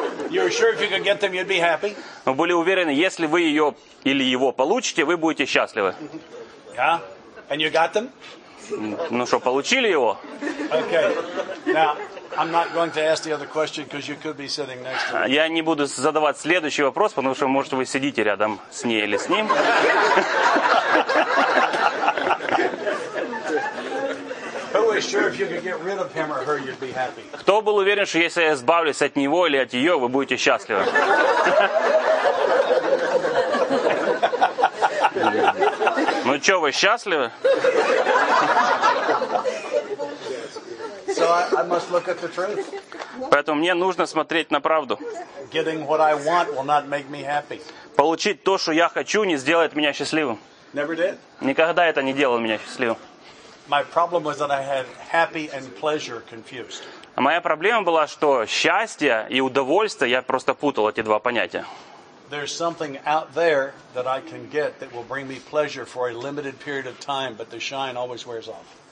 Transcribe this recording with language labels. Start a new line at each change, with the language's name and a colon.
English: You were sure if you could get them, you'd be happy.
Russian: Вы были уверены, если вы ее или его получите, вы будете счастливы.
English: Yeah, and you got them?
Russian: Ну что, получили его?
English: Okay, now I'm not going to ask the other question because you could be sitting next to me.
Russian: Я не буду задавать следующий вопрос, потому что может вы сидите рядом с ней или с ним.
English: Who is sure if you could get rid of him or her, you'd be happy?
Russian: Кто был уверен, что если я избавлюсь от него или от ее, вы будете счастливы? Ну что, вы счастливы?
English: So I must look at the truth.
Russian: Поэтому мне нужно смотреть на правду.
English: Getting what I want will not make me happy.
Russian: Получить то, что я хочу, не сделает меня счастливым.
English: Never did.
Russian: Никогда это не делало меня счастливым.
English: My problem was that I had happy and pleasure confused.
Russian: А моя проблема была, что счастье и удовольствие, я просто путал эти два понятия.
English: There's something out there that I can get that will bring me pleasure for a limited period of time, but the shine always wears off.